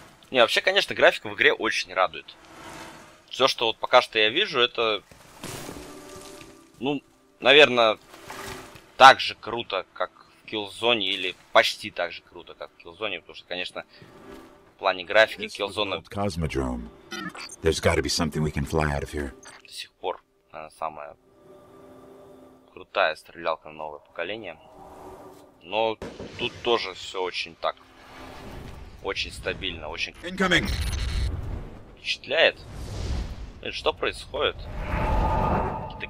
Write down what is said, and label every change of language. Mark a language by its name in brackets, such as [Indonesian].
[Russian] Не, вообще, конечно, графика в игре очень радует. Все, что вот пока что я вижу, это... Ну, наверное, так же круто, как в Killzone, или почти так же круто, как в Killzone, потому что, конечно, в плане графики Killzone... [English] There's got to be something we can fly out of here. [Russian] До сих пор, наверное, самая крутая стрелялка нового поколения. Но тут тоже все очень так, очень стабильно, очень... [English] Incoming. [Russian] Впечатляет. Блин, что происходит? Какие-то